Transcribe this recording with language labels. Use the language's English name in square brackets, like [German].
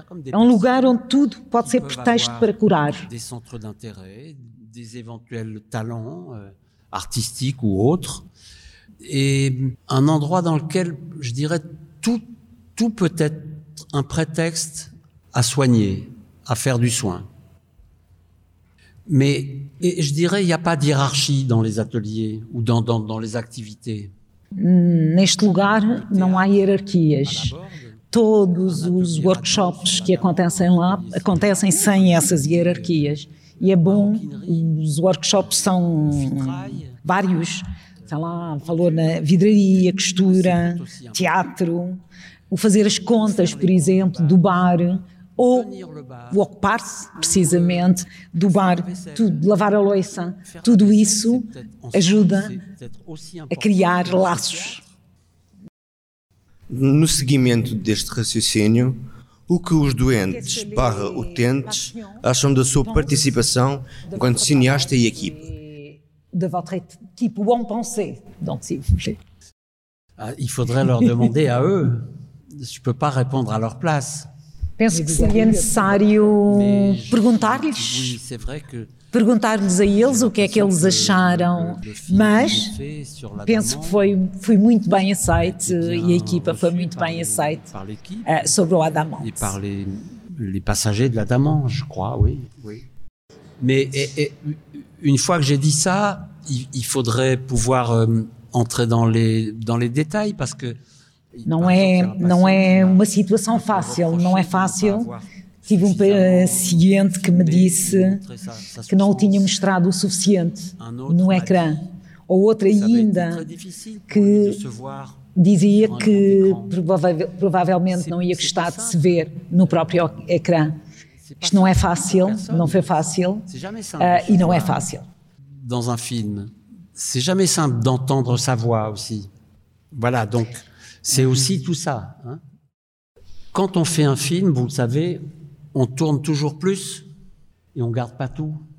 [Portuguese] É um lugar onde tudo pode ser pretexto para curar. [French] Des centres d'intérêt, des éventuels talents artistiques ou autres. Et un endroit dans lequel, je dirais, tout peut être un prétexte à soigner, à faire du soin. Mais et je dirais, il n'y a pas d'hierarchie dans les ateliers ou dans les activités. [Portuguese] Neste lugar, não há hierarquias. Todos os workshops que acontecem lá acontecem sem essas hierarquias. E é bom, os workshops são vários. Sei lá, falou na vidraria, costura, teatro, o fazer as contas, por exemplo, do bar, ou o ocupar-se, precisamente, do bar, tudo, lavar a loiça. Tudo isso ajuda a criar laços. No seguimento deste raciocínio, o que os doentes / utentes acham da sua participação enquanto cineasta e equipe? [French] De votre équipe, ou en penser, donc si vous voulez. Il faudrait leur demander à eux. Je ne peux pas répondre à leur place. [Portuguese] Penso que seria necessário perguntar-lhes. Perguntar-lhes a eles o que é que eles acharam, mas penso que foi muito bem aceite e a equipa foi muito bem aceite sobre o Adamant. [French] E par les passagers de l'Adamant, je crois, oui. Mais une fois que j'ai dit ça, il faudrait pouvoir entrer dans les détails, parce que... [Portuguese] Não é uma situação fácil, não é fácil. Tive um paciente que me disse que não o tinha mostrado o suficiente no ecrã. Ou outro ainda que dizia que provavelmente não ia gostar de se ver no próprio ecrã. Isto não é fácil, não foi fácil, e não é fácil. [French] Dans un film, c'est jamais simple d'entendre sa voix aussi. Voilà, donc c'est aussi tout ça. Quand on fait un film, vous le savez, on tourne toujours plus et on garde pas tout.